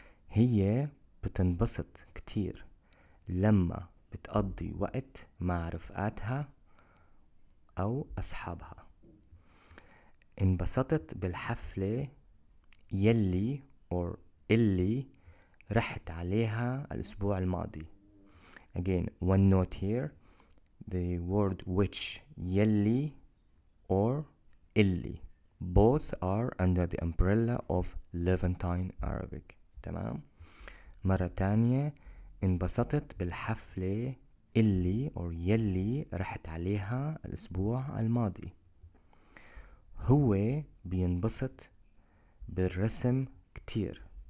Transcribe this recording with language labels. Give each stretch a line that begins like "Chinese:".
Arabic: هي بتنبسط كتير لما بتقضي وقت مع رفقاتها أو أصحابها. انبسطت بالحفلة يلي or اللي رحت عليها الأسبوع الماضي.
English: Again, one note here. The word which, يلي or اللي. Both are under the umbrella of Levantine Arabic.
Arabic: تمام؟ مرة تانية: انبسطت بالحفلة اللي or يلي رحت عليها الأسبوع الماضي. هو بينبسط بالرسم كتير.